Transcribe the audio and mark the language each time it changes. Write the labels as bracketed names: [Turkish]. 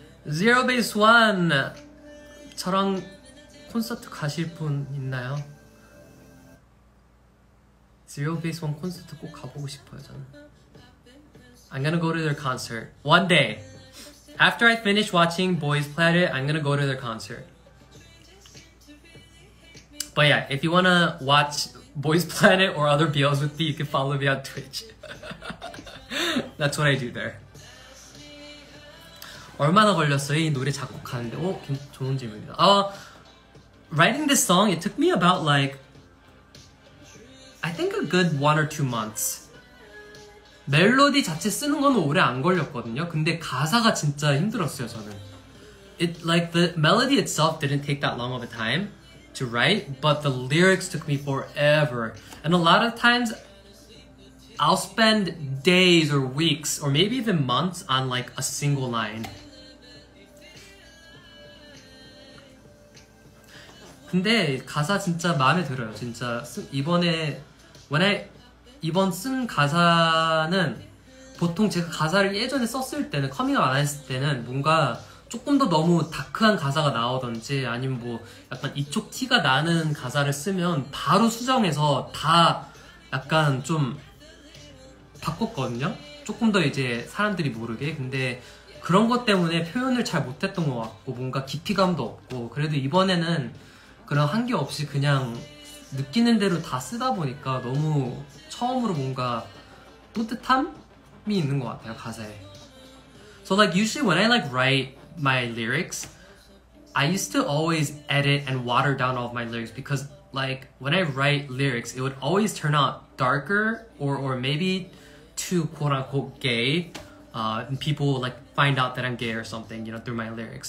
[Korean] 제로베이스 원, 저랑 콘서트 가실 분 있나요? 제로베이스 원 콘서트 꼭 가보고 싶어요, 저는. [English] I'm gonna go to their concert one day. After I finish watching Boys Planet, I'm gonna go to their concert. But yeah, if you wanna watch Boys Planet or other BLs with me, you can follow me on Twitch. That's what I do there. [Korean] 얼마나 걸렸어요? 이 노래 작곡하는데. 오, 좋은 질문입니다. [English] Writing this song, it took me about like I think a good one or two months. [Korean] 멜로디 자체 쓰는 건 오래 안 걸렸거든요. 근데 가사가 진짜 힘들었어요, 저는. [English] It like the melody itself didn't take that long of a time to write, but the lyrics took me forever. And a lot of times I'll spend days or weeks or maybe even months on like a single line. [Korean] 근데 가사 진짜 마음에 들어요. 진짜 이번 쓴 가사는 보통 제가 가사를 예전에 썼을 때는 커밍아웃 안 했을 때는 뭔가 조금 더 너무 다크한 가사가 나오던지 아니면 뭐 약간 이쪽 티가 나는 가사를 쓰면 바로 수정해서 다 약간 좀 바꿨거든요. 조금 더 이제 사람들이 모르게. 근데 그런 것 때문에 표현을 잘 못했던 것 같고 뭔가 깊이감도 없고 그래도 이번에는 그런 한계 없이 그냥 느끼는 대로 다 쓰다 보니까 너무 처음으로 뭔가 뿌듯함이 있는 것 같아요, 가사에. [English] So like usually when I like write my lyrics, I used to always edit and water down all of my lyrics because like when I write lyrics, it would always turn out darker or maybe too quote unquote gay. And people will like find out that I'm gay or something, you know, through my lyrics.